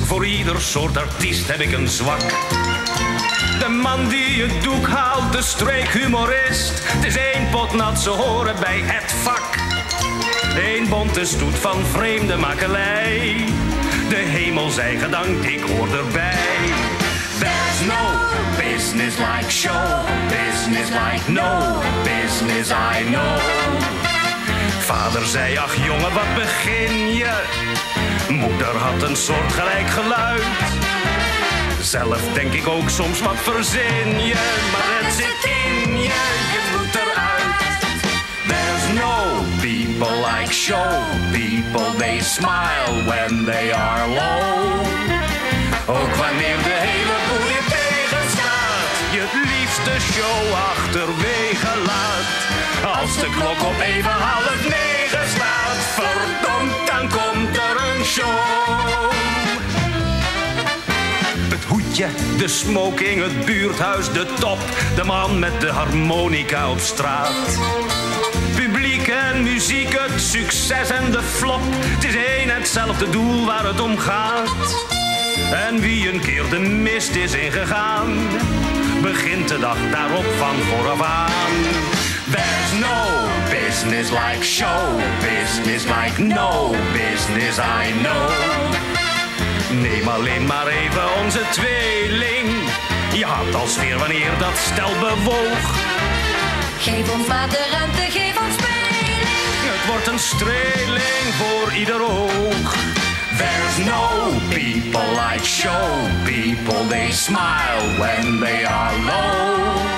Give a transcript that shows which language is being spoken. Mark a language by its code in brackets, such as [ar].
[nl] Voor ieder soort artiest heb ik een zwak. De man die het doek haalt, de streekhumorist. Het is één pot nat, ze horen bij het vak. Eén bonte stoet van vreemde makelij. De hemel zij gedankt, ik hoor erbij. [en] There's no business like show. Business like no business I know. [nl] Vader zei, ach jongen, wat begin je? Moeder had een soortgelijk geluid. Zelf denk ik ook soms, wat verzin je? Maar het zit in je, je moet eruit. [en] There's no people like show. People, they smile when they are low. [nl] Ook wanneer de hele boel je tegenstaat. Je het liefste show achterwege laat. Als de klok op even half negen slaat, verdomd, dan komt er een show. Het hoedje, de smoking, het buurthuis, de top, de man met de harmonica op straat. Publiek en muziek, het succes en de flop, het is één hetzelfde doel waar het om gaat. En wie een keer de mist is ingegaan, begint de dag daarop van vooraf aan. [en] There's no business like show, business like no business I know. [nl] Neem alleen maar even onze tweeling, je had al sfeer wanneer dat stel bewoog. Geef ons maar de ruimte, geef ons speling. Het wordt een streling voor ieder oog. [en] There's no people like show, people they smile when they are low.